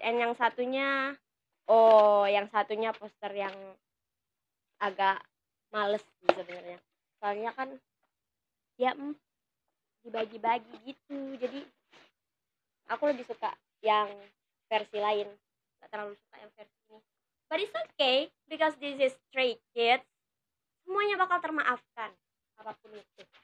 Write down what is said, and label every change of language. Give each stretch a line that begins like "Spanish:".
Indonesian: And yang satunya, poster yang agak males sebenarnya. Soalnya kan dibagi-bagi gitu. Jadi aku lebih suka yang versi lain. Gak terlalu suka yang versi ini.
English: But it's okay because this is Stray Kids.
Indonesian: Semuanya bakal termaafkan apapun itu.